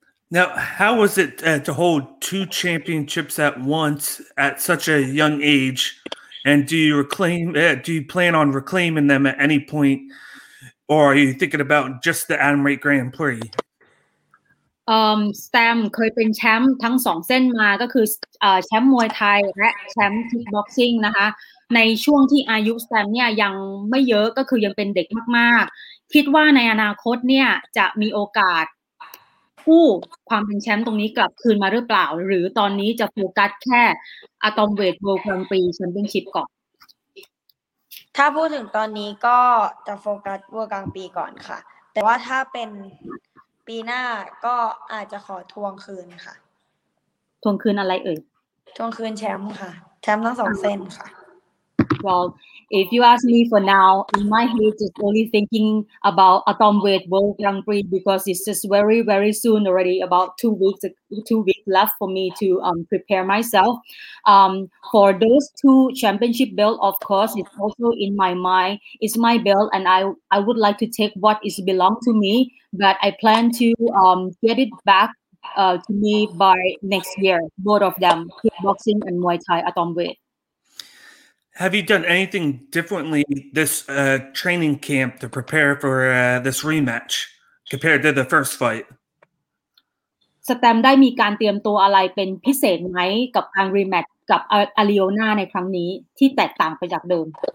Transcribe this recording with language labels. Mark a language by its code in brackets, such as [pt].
[en] Now, how was it to hold two championships at once at such a young age, and do you plan on reclaiming them at any point, or are you thinking about just the Adam Rate Grand Prix? [th] Stamp เคยเป็นแชมป์ทั้งสองเส้นมาก็คือแชมป์มวยไทยและแชมป์คิกบ็อกซิ่งนะคะในช่วงที่อายุสแตมป์เนี่ยยังไม่เยอะก็คือยังเป็นเด็กมากๆคิดว่าในอนาคตเนี่ยจะมีโอกาสกู้ความเป็นแชมป์ตรงนี้กลับคืนมาหรือเปล่าหรือตอนนี้จะโฟกัสแค่อะตอมเวทโวลแกรนด์ปรีแชมเปี้ยนชิพก่อน ถ้าพูดถึงตอนนี้ก็จะโฟกัสโวลแกรนด์ปรีก่อนค่ะแต่ว่าถ้าเป็นปีหน้าก็อาจจะขอทวงคืนค่ะ ทวงคืนอะไรเอ่ย ทวงคืนแชมป์ค่ะแชมป์ทั้งสองเส้นค่ะ [en] Well, if you ask me for now, in my head, just only thinking about Atom Weight World Grand Prix, because it's just very, very soon already, about two weeks left for me to prepare myself. For those two championship belts, of course, it's also in my mind. It's my belt, and I would like to take what is belong to me, but I plan to get it back to me by next year, both of them, kickboxing and Muay Thai Atom Weight. Have you done anything differently this training camp to prepare for this rematch compared to the first fight? [th] Stamp ได้มีการเตรียมตัวอะไรเป็นพิเศษไหมกับการ rematch กับอาริโอน่าในครั้งนี้ที่แตกต่างไปจากเดิม